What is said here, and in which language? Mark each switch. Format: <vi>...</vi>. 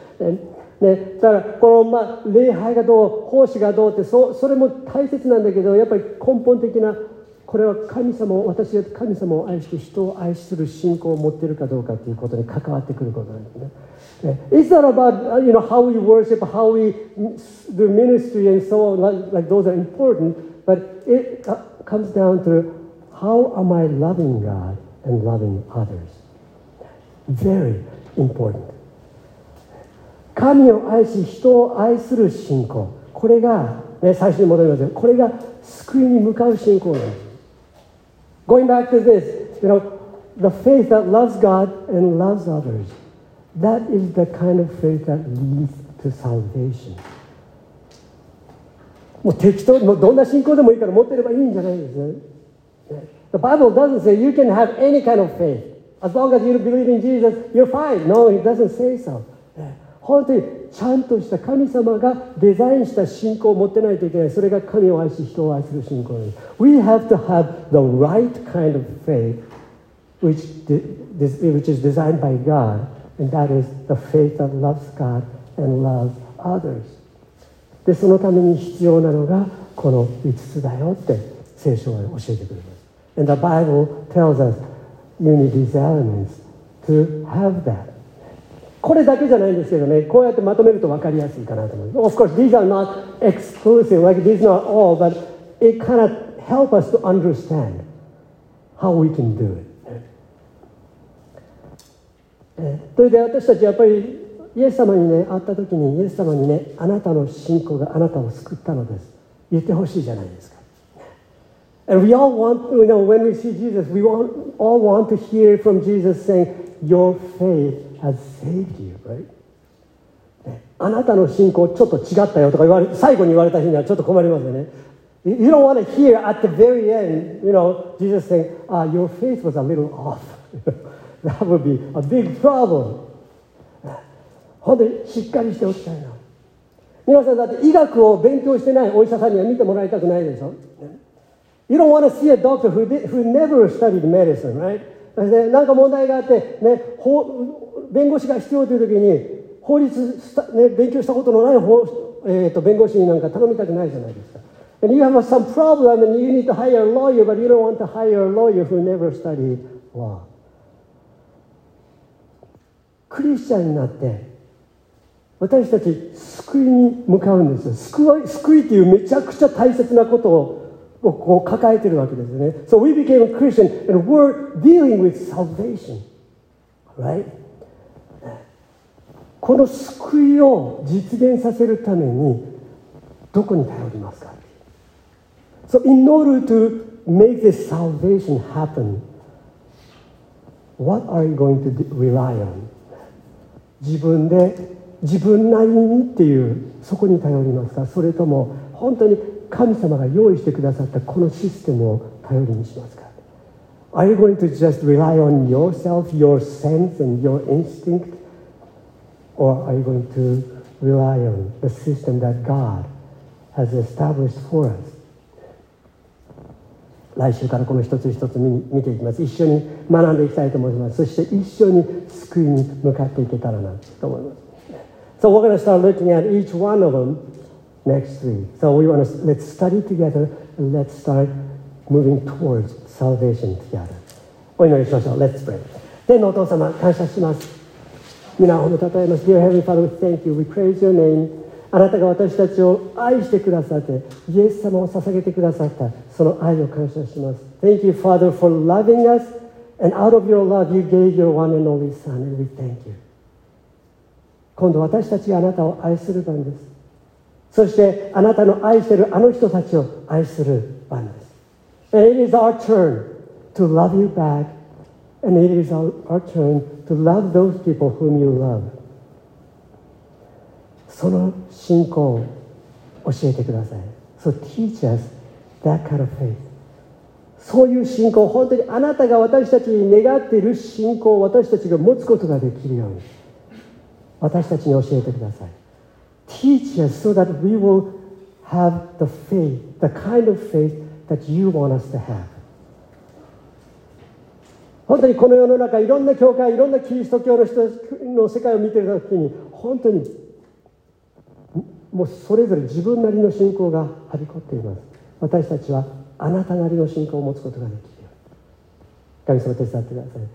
<ja>And,ね、だからこの、まあ、礼拝がどう奉仕がどうって それも大切なんだけど、やっぱり根本的なこれは神様、私が神様を愛して人を愛する信仰を持っているかどうかということに関わってくることなんですね。</ja> <en>It's not about you know, how we worship, how we do ministry and so on, like those are important, but it comes down to how am I loving God and loving others. Very important.</en> <ja>神を愛し人を愛する信仰、これが、ね、最初に戻りますよ。これが救いに向かう信仰なんです。</ja> <en>Going back to this, you know, the faith that loves God and loves others, that is the kind of faith that leads to salvation.</en> <ja>もう適当にどんな信仰でもいいから持ってればいいんじゃないですか、ね、</ja> <en>The Bible doesn't say you can have any kind of faith. As long as you believe in Jesus, you're fine. No, it doesn't say so.</en> <ja>本当にちゃんとした神様がデザインした信仰を持ってないといけない。それが神を愛し人を愛する信仰です。</ja> <en>We have to have the right kind of faith which is designed by God, and that is the faith that loves God and loves others.</en> <ja>で、そのために必要なのがこの5つだよって聖書は教えてくれます。</ja> <en>And the Bible tells us you need these elements to have that.</en> <ja>これだけじゃないんですけどね、こうやってまとめると分かりやすいかなと思います。</ja> <en>Of course, these are not exclusive, like these are not all, but it kind of helps us to understand how we can do it.</en> <ja>それで私たちやっぱりイエス様にね、会った時にイエス様にね、あなたの信仰があなたを救ったのです。言ってほしいじゃないですか。</ja> <en>And we all want, you know, when we see Jesus, we all want to hear from Jesus saying, your faith,Has saved you, right?</en> <ja>あなたの信仰ちょっと違ったよとか言われ最後に言われた日にはちょっと困りますよね。</ja> <en>You don't want to hear at the very end, you know, Jesus saying, ah, your faith was a little off. That would be a big problem.</en> <ja>本当にしっかりしておきたいな。皆さんだって医学を勉強してないお医者さんには見てもらいたくないでしょ。</ja> <en>You don't want to see a doctor who never studied medicine, right?</en> <ja>で、なんか問題があって、ね、弁護士が必要という時に法律、ね、勉強したことのない法、弁護士になんか頼みたくないじゃないですか。</ja> <en>And you have some problem and you need to hire a lawyer, but you don't want to hire a lawyer who never studied law.</en> <ja>クリスチャンになって私たち救いに向かうんですよ。救いというめちゃくちゃ大切なことをこう抱えてるわけですね。</ja> <en>So we became a Christian and we're dealing with salvation. Right?</en> <ja>この救いを実現させるためにどこに頼りますか?</ja> <en>So in order to make this salvation happen, what are you going to rely on?</en> <ja>自分で、自分なりにっていう、そこに頼りますか? それとも本当に神様が用意してくださったこのシステムを頼りにしますか?</ja> <en>Are you going to just rely on yourself, your sense and your instinct? Or are you going to rely on the system that God has established for us?</en> <ja>来週からこの一つ一つ見ていきます。一緒に学んでいきたいと思います。そして一緒に救いに向かっていけたらなと思います。</ja> <en>So we're going to start looking at each one of them next week. So we want to, let's study together and let's start moving towards salvation together.</en> <ja>お祈りしましょう。</ja> <en>Let's pray.</en> <ja>天のお父様、感謝します。皆を褒めたたえます。</ja> <en>Dear Heavenly Father, we thank you. We praise your name.</en> <ja>あなたが私たちを愛してくださって、イエス様を捧げてくださった、その愛を感謝します。</ja> <en>Thank you, Father, for loving us. And out of your love, you gave your one and only Son. And we thank you.</en> <ja>今度私たちがあなたを愛する番です。そしてあなたの愛しているあの人たちを愛する番です。</ja> <en>And it is our turn. To love you back, and it is our turn to love those people whom you love.</en> <ja>その信仰を教えてください。</ja> <en>So teach us that kind of faith.</en> <ja>そういう信仰、本当にあなたが私たちに願っている信仰を私たちが持つことができるように、私たちに教えてください。</ja> <en>Teach us so that we will have the faith, the kind of faith that you want us to have.</en> <ja>本当にこの世の中いろんな教会いろんなキリスト教の人の世界を見ているときに本当にもうそれぞれ自分なりの信仰がはびこっています。私たちはあなたなりの信仰を持つことができる。神様手伝ってください。</ja>